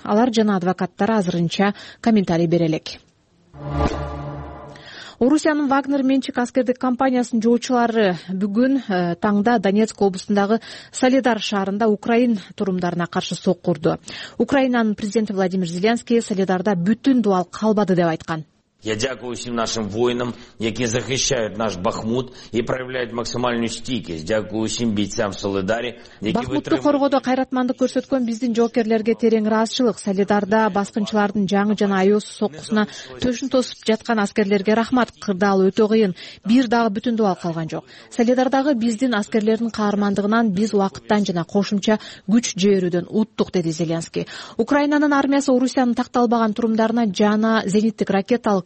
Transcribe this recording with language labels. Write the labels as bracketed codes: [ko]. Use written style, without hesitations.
[ky] Алар жана адвокаттары азырынча комментарий бере элек. Орусиянын Вагнер менчик аскердик компаниясынын жоочулары бүгүн таңда Донецк облусундагы Солидар шаарында украин турумдарына каршы сокку урду. Украинанын президенти Владимир Зеленский Солидарда бүтүн дубал калбады деп айткан. [ru] Я [uk] дякую [ru] всем нашим воинам, которые защищают наш Бахмут и проявляют максимальную стойкость. [uk] Дякую [ru] всем бойцам Солидари, которые [ky] Бахмутту коргоодо кайраттык көрсөткөн биздин жоокерлерге терең ыраазычылык. Солидарда баскынчылардын жаңы жана аюусуз соккусуна төшүн тосуп жаткан аскерлерге рахмат. Кырдаал өтө кыйын. Бир дагы бүтүн дубал калган жок. Солидардагы биздин аскерлердин каармандыгынан биз убакыттан жана кошумча күч жээрүүдөн уттук, деди Зеленский. Украинанын армиясы Орусиянын такталбаган турумдарына жана зениттик ракета